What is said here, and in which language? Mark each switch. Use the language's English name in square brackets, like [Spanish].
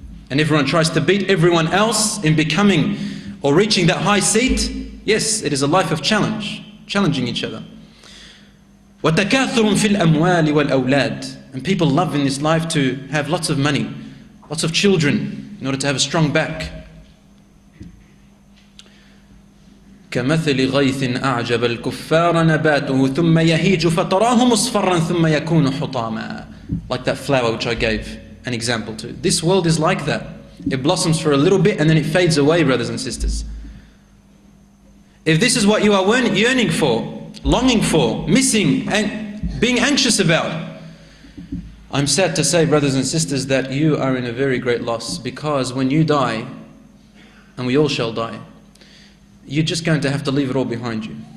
[English] And everyone tries to beat everyone else in becoming or reaching that high seat? Yes, it is a life of challenge, challenging each other. [Arabic] وَتَكَاثُرٌ فِي الْأَمْوَالِ وَالْأَوْلَادِ. [English] And people love in this life to have lots of money, lots of children in order to have a strong back. [Arabic] كمثل غيث أعجب الكفار نباته ثم يهيج فتراه مصفرا ثم يكون حطاما. [English] Like that flower which I gave an example to. This world is like that. It blossoms for a little bit and then it fades away, brothers and sisters. If this is what you are yearning for, longing for, missing, and being anxious about, I'm sad to say, brothers and sisters, that you are in a very great loss, because when you die, and we all shall die, you're just going to have to leave it all behind you.